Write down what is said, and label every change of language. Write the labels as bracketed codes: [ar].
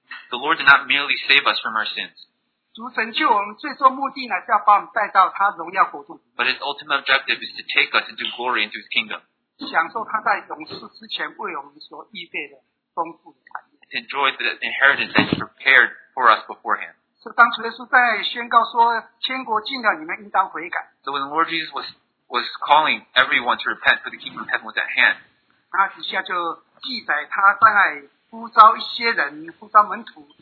[en] The Lord did not merely save us from our sins. [zh] 主拯救我们最终目的呢，是要把我们带到他荣耀国度。 [en] But his ultimate objective is to take us into glory, into his kingdom. [zh] 享受他在永世之前为我们所预备的丰富的产业。 [en] To enjoy the inheritance that he prepared for us beforehand. [zh] 所以当主耶稣在宣告说天国近了，你们应当悔改。 [en] So when the Lord Jesus was calling everyone to repent, for the kingdom of heaven was at hand. [zh] 那底下就记载他在呼召一些人，呼召门徒。